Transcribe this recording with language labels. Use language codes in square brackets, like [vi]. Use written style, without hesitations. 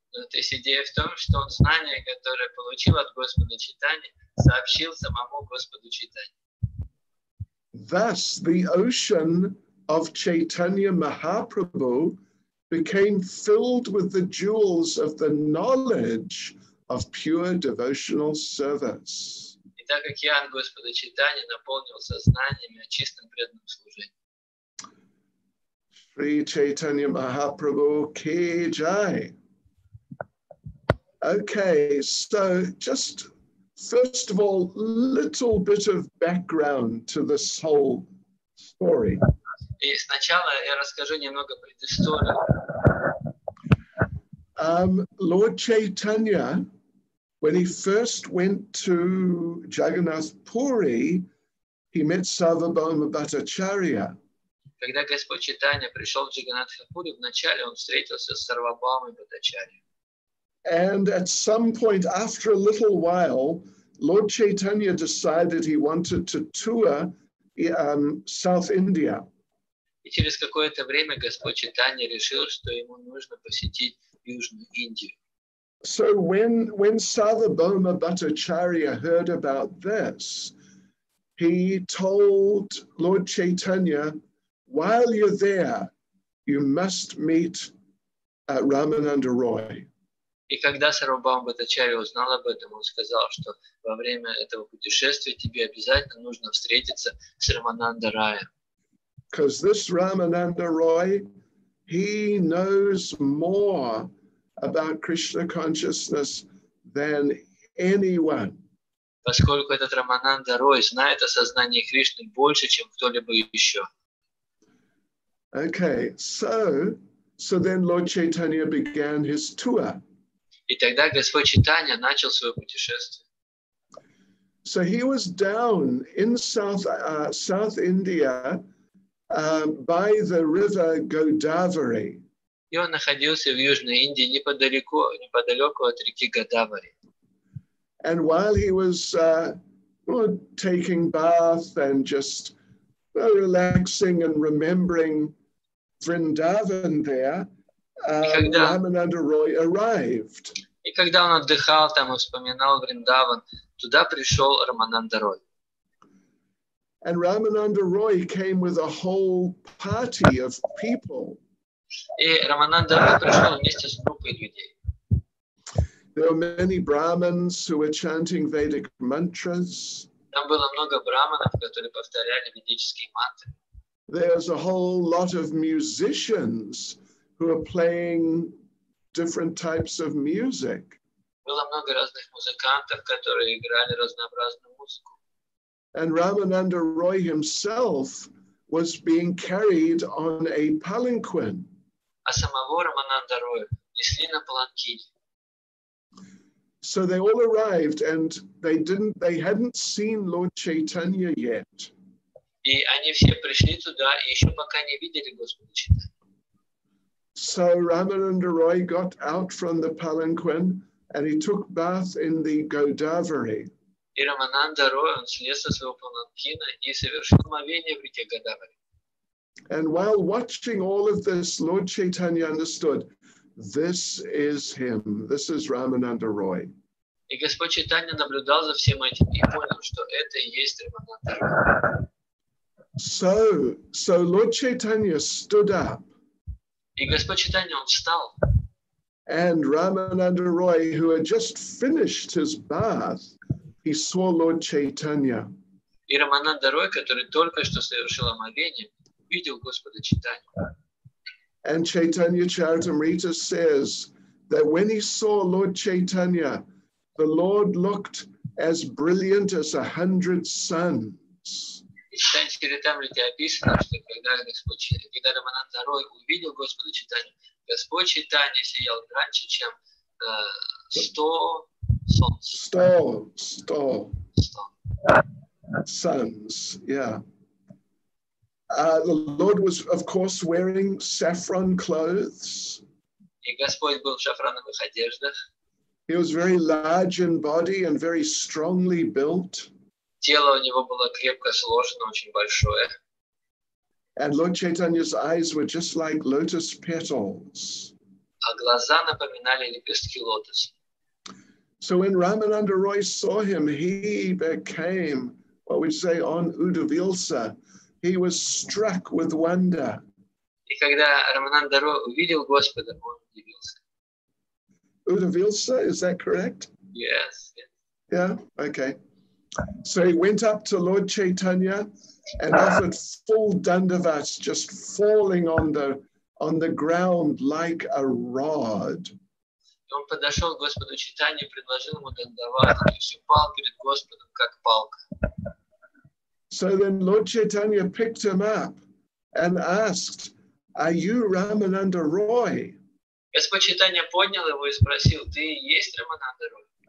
[ru] То есть идея в том, что он знание, которое получил от Господа Чайтаньи, сообщил самому Господу Чайтанье. [en] Thus, the ocean of Chaitanya Mahaprabhu became filled with the jewels of the knowledge of pure devotional service. [ru] И так как океан Господа Чайтанья наполнился знаниями о чистом преданном служении. [en] Sri Chaitanya Mahaprabhu Ki Jai. Okay, so just first of all, little bit of background to this whole story. [ru] И сначала я расскажу немного предыстории. [en] Lord Chaitanya, when he first went to Jagannath Puri, he met Sarvabhauma Bhattacharya. [ru] Когда Господь Чайтанья пришел в Джаганнатх Пури, вначале он встретился с Сарвабхаумой Бхаттачарьей. [en] And at some point, after a little while, Lord Chaitanya decided he wanted to tour South India. [ru] И через какое-то время Господь Чайтанья решил, что ему нужно посетить Южную Индию. [en] So when Sarvabhauma Bhattacharya heard about this, he told Lord Chaitanya, while you're there, you must meet Ramananda Roy. [ru] И когда Сарвабхаум Бхаттачарья узнал об этом, он сказал, что во время этого путешествия тебе обязательно нужно встретиться с Рамананда Роем. [en] Because this Рамананда Рой, he knows more about Krishna consciousness than anyone. [ru] Поскольку этот Рамананда Рой знает о сознании Кришны больше, чем кто-либо еще. [en] Okay, so then Lord Chaitanya began his tour. [ru] И тогда Господь Чайтанья начал свое путешествие. [en] So he was down in South India by the river Godavari. [ru] И он находился в Южной Индии неподалеку от реки Годавари. [en] And while he was taking bath and just relaxing and remembering Vrindavan there, Рамананда Рой arrived. [ru] И когда он отдыхал там и вспоминал Вриндаван, туда пришел Рамананда Рой. [en] And Рамананда Рой came with a whole party of people. [ru] И Рамананда Рой пришел вместе с группой людей. [en] There were many Brahmins who were chanting Vedic mantras. [ru] Там было много брахманов, которые повторяли ведические мантры. [en] There's a whole lot of musicians who are playing different types of music. [ru] Было много разных музыкантов, которые играли разнообразную музыку. [en] And Рамананда Рой himself was being carried on a palanquin. [ru] А самого Рамананда Роя несли на паланкине. [en] So they all arrived and they hadn't seen Lord Chaitanya yet. [ru] И они все пришли туда и еще пока не видели Господа Чайтанью. [en] So Рамананда Рой got out from the palanquin and he took bath in the Godavari. [ru] И Рамананда Рой, он слез со своего паланкина и совершил омовение в реке Годавари. [en] And while watching all of this, Lord Chaitanya understood, this is him, this is Рамананда Рой. [ru] И Господь Чайтанья наблюдал за всем этим и понял, что это и есть Рамананда Рой. [en] So Lord Chaitanya stood up. [ru] И Господь Чайтанья, он встал. [en] And Рамананда Рой, who had just finished his bath, he saw Lord Chaitanya. [ru] И Рамананда Рой, который только что совершил омовение, видел Господа Чайтанью. [en] And Chaitanya Charitamrita says that when he saw Lord Chaitanya, the Lord looked as brilliant as 100 suns. [ru] И в Читании Чаритамрите описано, что когда Рамананда Рой увидел Господа Чайтанью, Господь Чайтанья сиял ярче, чем 100 солнц. [en] 100 suns, yeah. The Lord was, of course, wearing saffron clothes. [ru] И Господь был в шафрановых одеждах. [en] He was very large in body and very strongly built. [ru] Тело у него было крепко сложено, очень большое. [en] And Lord Chaitanya's eyes were just like lotus petals. [ru] А глаза напоминали лепестки лотоса. [en] So when Рамананда Рой saw him, he became, what we say, on Удивился. He was struck with wonder. [ru] И когда Рамананда Рой увидел Господа, он удивился. [en] Удивился, is that correct? Yes. Yeah, okay. So he went up to Lord Chaitanya and offered full dandavats, just falling on the ground like a rod. [ru] Он подошел к Господу Чайтанье, предложил ему дандават, и все пал перед Господом, как палка. [en] So then Lord Chaitanya picked him up and asked, "Are you Рамананда Рой?" [ru] Господь Чайтанья поднял его и спросил, "Ты есть Рамананда Рой?"